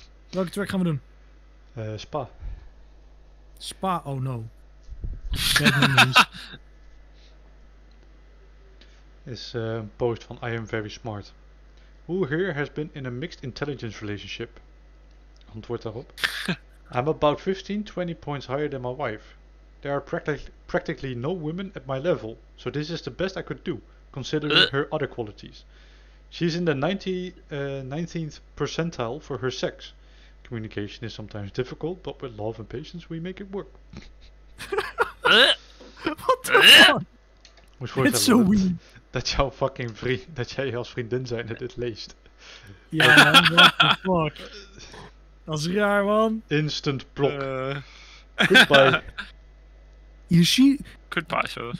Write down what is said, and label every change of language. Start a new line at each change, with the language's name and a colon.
Dutch: Welke track gaan we doen? Spa. Spa, oh no. Is een post van I am very smart.
English: Who here has been in a mixed intelligence relationship?
Dutch: Antwoord daarop.
English: I'm about 15-20 points higher than my wife. There are practically no women at my level, so this is the best I could do, considering her other qualities. She's in the 19th percentile for her sex. Communication is sometimes difficult, but with love and patience, we make it work. What the fuck? It's so weird.
Dutch: Dat jouw fucking vriend, dat jij als vriendin zijnde dit leest. Ja,
English: what the fuck?
Dutch: Dat is raar, man. Instant blok. Goodbye.
English: You see? Goodbye, sir.